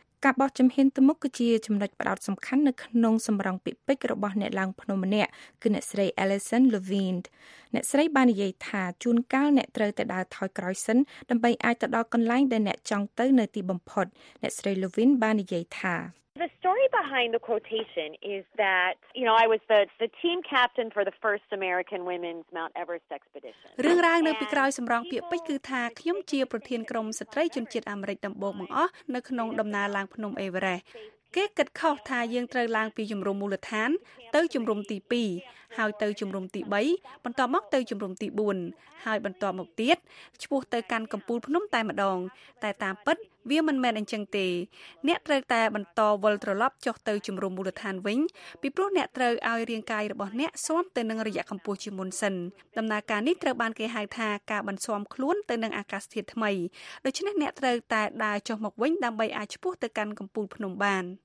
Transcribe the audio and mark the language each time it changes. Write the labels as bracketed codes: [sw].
[km] ការបោះជំហានទៅមុខគឺជាចំណុចផ្ដោតសំខាន់នៅក្នុងសម្រងពាក្យពេចន៍របស់អ្នកឡើងភ្នំម្នាក់គឺអ្នកស្រី Alison Levine អ្នកស្រីបាននិយាយថាជួនកាលអ្នកត្រូវតែដើរថយក្រោយសិនដើម្បីអាចទៅដល់កន្លែងដែលអ្នកចង់ទៅនៅទីបំផុតអ្នកស្រី Levine បាននិយាយថា [en] The story behind the quotation is that, you know, I was the team captain for the first American women's Mount Everest expedition. [km] រឿងរ៉ាវនៅពីក្រោយសម្រងពាក្យពេចន៍គឺថាខ្ញុំជាប្រធានក្រុមស្ត្រីជនជាតិអាមេរិកដំបូងបង្អស់នៅក្នុងដំណើរឡើងភ្នំអេវ៉ារ៉េស្ត។គេគិតខុសថាយើងត្រូវឡើងពីជំរំមូលដ្ឋានទៅជំរំទី2 ហើយទៅជំរំទី3បន្តមកទៅជំរំទី4ហើយបន្តមកទៀតឈ្មោះទៅកាន់កំពូលភ្នំតែម្ដងតែតាមពិតវាមិនមែនអញ្ចឹងទេអ្នកត្រូវតែបន្តវិលត្រឡប់ចុះទៅជំរំមូលដ្ឋានវិញពីព្រោះអ្នកត្រូវឲ្យរាងកាយរបស់អ្នកស៊ាំទៅនឹងរយៈកម្ពស់ជាមុនសិនដំណើរការនេះត្រូវបានគេហៅថាការបន្សាំខ្លួនទៅនឹងអាកាសធាតុថ្មីដូច្នេះអ្នកត្រូវតែដើរចុះមកវិញដើម្បីអាចឈ្មោះទៅកាន់កំពូលភ្នំបាន